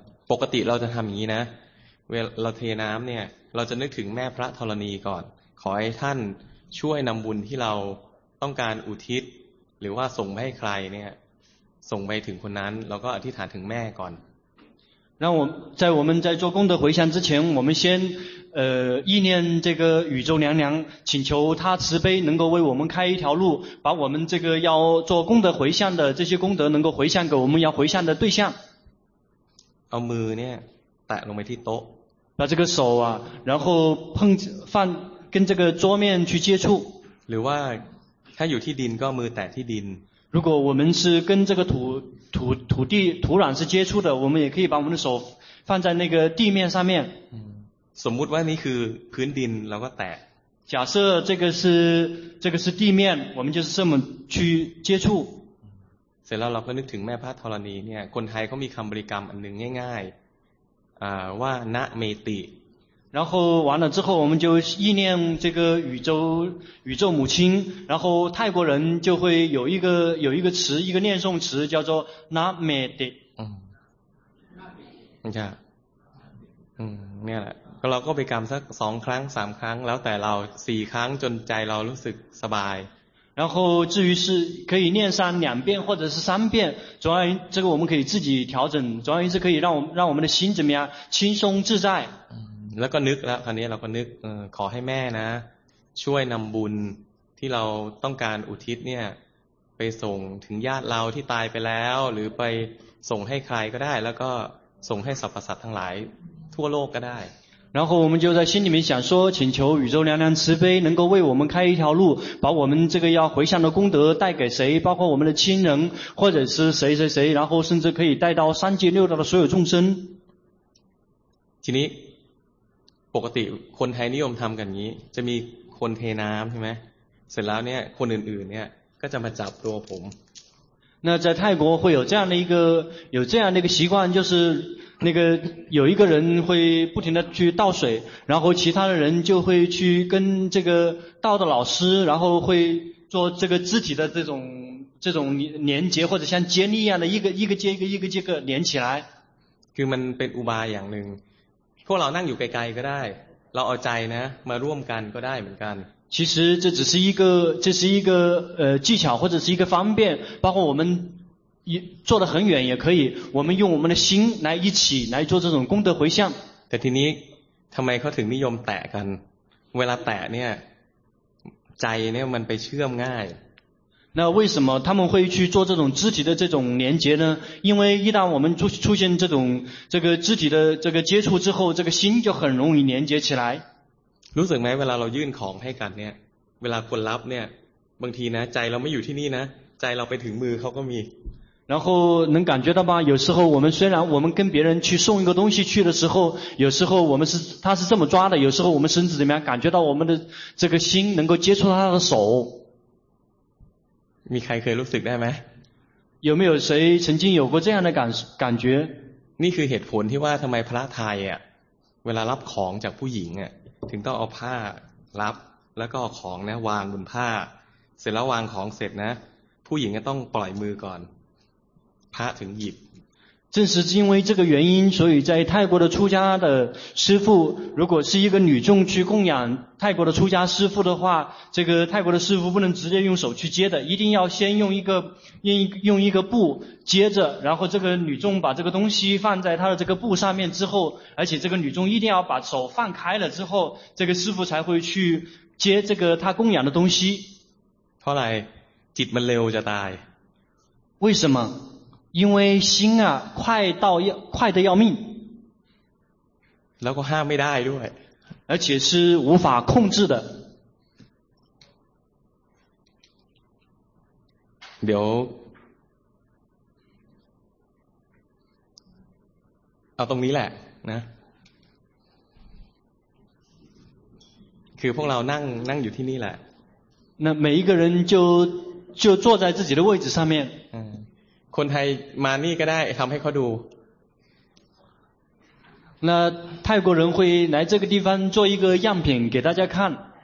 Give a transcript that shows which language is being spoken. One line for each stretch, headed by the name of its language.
Thai: ปกติเราจะทำอย่างนี้นะเราเทน้ำเนี่ยเราจะนึกถึงแม่พระธรณีก่อนขอให้ท่านช่วยนำบุญที่เราต้องการอุทิศหรือว่าส่งไปให้ใครเนี่ยส่งไปถึงคนนั้นเราก็อธิษฐานถึงแม่ก่อน
Chinese: 让我在我们在做功德回向之前，我们先意念这个宇宙娘娘，请求她慈悲能够为我们开一条路，把我们这个要做功德回向的这些功德能够回向给我们要回向的对象。
Thai: เอามือเนี่ยแตะลงไปที่โต๊ะ
Chinese: 把这个手啊然后碰放跟这个桌面去接触。
Thai: หรือว่าถ้าอยู่ที่ดินก็มือแตะที่ดิน
Chinese: 如果我们是跟这个土地土壤是接触的，我们也可以把我们的手放在那个地面上面。
Thai: สมมุติว่านี่คือพื้นดินเราก็แตะ
Chinese: 假设这个是地面，我们就是这么去接触。
Thai: เสร็จแล้วเราก็นึกถึงแม่พระธรณีเนี่ยคนไทยเขามีคำบริกรรมอันหนึ่งง่ายๆว่าณเมติ
Chinese: 然后完了之后，我们就意念这个宇宙母亲。然后泰国人就会有一个词，一个念诵词叫做 Namede。嗯，你看，嗯，那了，然后我们干了两次、三次，然后待了四次，直到心里觉得舒服。然后至于是可以念上两遍或者是三遍，总而言之，这个我们可以自己调整。总而言之，可以让我们的心怎么样，轻松自在。
Thai: แล้วก็นึกแล้วคราวนี้เราก็นึกขอให้แม่นะช่วยนำบุญที่เราต้องการอุทิศเนี่ยไปส่งถึงญาติเราที่ตายไปแล้วหรือไปส่งให้ใครก็ได้แล้วก็ส่งให้สรรพสัตว์ทั้งหลายทั่วโลกก็ได้
Chinese: 然后我们就在心里面想说，请求宇宙娘娘慈悲，能够为我们开一条路，把我们这个要回向的功德带给谁，包括我们的亲人或者是谁谁谁，然后甚至可以带到三界六道的所有众生。
Thai: ทีนี้ปกติคนไทยนิยมทำกันอย่างนี้จะมีคนเทน้ำใช่ไหมเสร็จแล้วเนี่ยคนอื่นๆเนี่ยก็จะมาจับตัวผม
Chinese: 那在泰国会有这样的一个习惯就是那个有一个人会不停的去倒水然后其他的人就会去跟这个倒的老师然后会做这个肢体的这种连接或者像接力一样的一个接一个连起来
Thai: คือมันเป็นอุบายอย่างหนึ่งพวกเรานั่งอยู่ไกลๆก็ได้เราเอาใจนะมาร่วมกันก็ได้เหมือนกัน
Chinese: 其实这只是一个这是一个技巧或者是一个方便包括我们坐得很远也可以我们用我们的心来一起来做这种功德回向
Thai: แต่ทีนี้ทำไมเขาถึงนิยมแตะกันเวลาแตะเนี่ยใจเนี่ยมันไปเชื่อมง่าย
Chinese: 那为什么他们会去做这种肢体的这种连接呢？因为一旦我们出现这种这个肢体的这个接触之后，这个心就很容易连接起来。
Thai: รู้สึกไหมเวลาเรายื่นของให้กันเนี่ยเวลาคนรับเนี่ยบางทีนะใจเราไม่อยู่ที่นี่นะใจเราไปถึงมือเขาก็มี
Chinese: 然后能感觉到吗？有时候我们虽然我们跟别人去送一个东西去的时候，有时候我们是他是这么抓的，有时候我们甚至怎么样感觉到我们的这个心能够接触他的手。
Thai: มีใครเคยรู้สึกได้ไหม
Chinese: 有没有谁曾经有过这样的感觉
Thai: นี่คือเหตุผลที่ว่าทำไมพระไทยอ่ะเวลารับของจากผู้หญิงอ่ะถึงต้องเอาผ้ารับแล้วก็เอาของนะวางบนผ้าเสร็จแล้ววางของเสร็จนะผู้หญิงก็ต้องปล่อยมือก่อนพระถึงหยิบ
Chinese: 正是因为这个原因，所以在泰国的出家的师父，如果是一个女众去供养泰国的出家师父的话，这个泰国的师父不能直接用手去接的，一定要先用一个布接着，然后这个女众把这个东西放在她的这个布上面之后，而且这个女众一定要把手放开了之后，这个师父才会去接这个她供养的东西。后来，
Thai: จิตมันเร็วจะตาย。
Chinese: 为什么？因为心啊快得要命
Thai: แล้วก็ห้ามไม่ได้ด้วย
Chinese: 而且是无法控制的
Thai: เดี๋ยวเอาตรงนี้แหละนะคือพวกเรานั่งอยู่ที่นี่แหละ
Chinese: 那每一个人就坐在自己的位置上面
Thai: คนไทยมานี่ก็ได้ทำให้เขาดู
Chinese: 那泰国人会来这个地方做一个样品给大家看嗯